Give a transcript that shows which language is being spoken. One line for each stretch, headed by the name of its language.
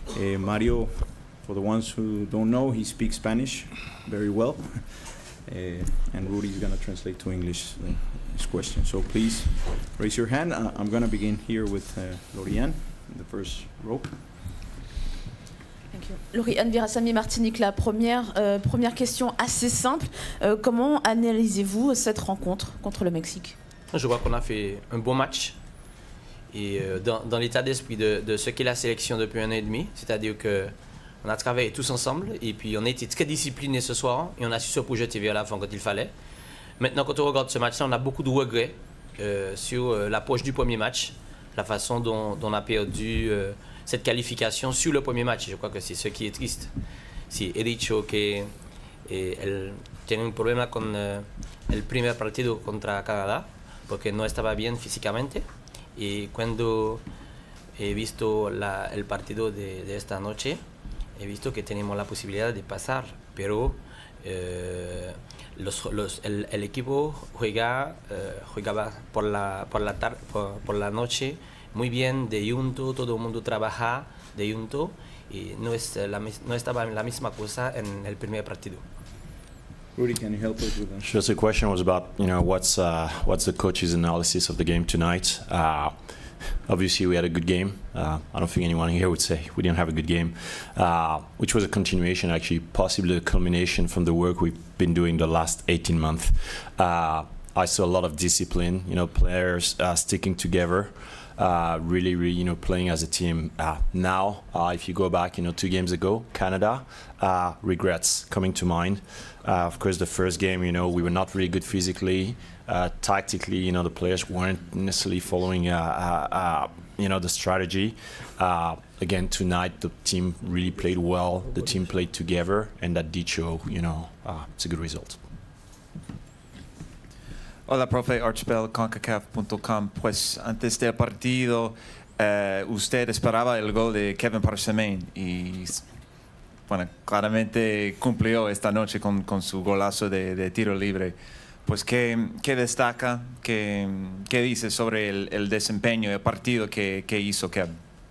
English: Mario, for the ones who don't know, he speaks Spanish very well. And Rudy's going to translate to English his question. So please raise your hand. I'm going to begin here with Lorianne in the first row. Thank you.
French: Lorianne Virasamy, Martinique, la première, première question assez simple. Comment analysez-vous cette rencontre contre le Mexique? Je vois qu'on a fait un bon match. Et dans l'état d'esprit de ce qu'est la sélection depuis un an et demi, c'est-à-dire que on a travaillé tous ensemble et puis on a été très disciplinés ce soir et on a su se projeter vers l'avant quand il fallait. Maintenant, quand on regarde ce match-là, on a beaucoup de regrets sur l'approche du premier match, la façon dont on a perdu cette qualification sur le premier match. Je crois que c'est ce qui est triste. C'est Ericho qui a un problème avec le premier partido contre Canada parce qu'il n'était pas bien physiquement. Et quand j'ai vu le partido de cette noche,
Spanish: he visto que tenemos la posibilidad de pasar, pero el equipo jugaba por la noche muy bien, de junto, todo el mundo trabaja de junto y no estaba la misma cosa en el primer partido.
English: Rudy, can you help us with that? Just a question was about, you know, what's the coach's analysis of the game tonight? Obviously, we had a good game. I don't think anyone here would say we didn't have a good game, which was a continuation, actually, possibly a culmination from the work we've been doing the last 18 months. I saw a lot of discipline, you know, players sticking together, really, really, you know, playing as a team. Now, if you go back, you know, 2 games ago, Canada, regrets coming to mind. Of course, the first game, you know, we were not really good physically. Tactically, you know, the players weren't necessarily following, you know, the strategy. Again, tonight, the team really played well. The team played together, and that did show, you know, it's a good result.
Spanish: Hola, profe. Archbell, CONCACAF.com. Pues, antes del partido, usted esperaba el gol de Kevin Parchemin. Y, bueno, claramente cumplió esta noche con su golazo de tiro libre. Pues, ¿qué destaca? ¿Qué dice sobre el desempeño del partido que hizo Kevin?